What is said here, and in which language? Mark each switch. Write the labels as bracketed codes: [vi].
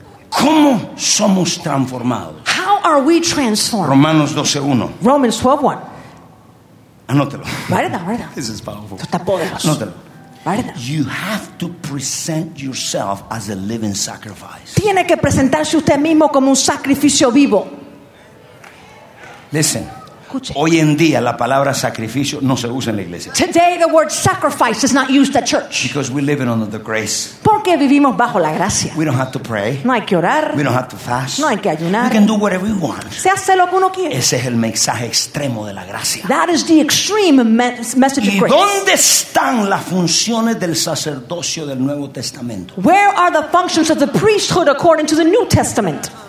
[es] ¿Cómo somos transformados? [en] How are we transformed? [es] Romanos 12:1. [en] Romans 12:1. [es] Anótelo. [en] Write it down. This is powerful. [es] Esto está poderoso. Anótelo. [en] Write it down. You have to present yourself as a living sacrifice. [es] Tiene que presentarse usted mismo como un sacrificio vivo. [en] Listen. [es] Escuche. Hoy en día la palabra sacrificio no se usa en la iglesia. [en] Today the word sacrifice is not used at church. Because we live under the grace. [es] Porque vivimos bajo la gracia. [en] We don't have to pray. [es] No hay que orar. [en] We don't have to fast. [es] No hay que ayunar. [en] We can do whatever we want. [es] Se hace lo que uno quiere. Ese es el mensaje extremo de la gracia. [en] That is the extreme message of grace. [es] ¿Y dónde están las funciones del sacerdocio del Nuevo Testamento? [en] Where are the functions of the priesthood according to the New Testament?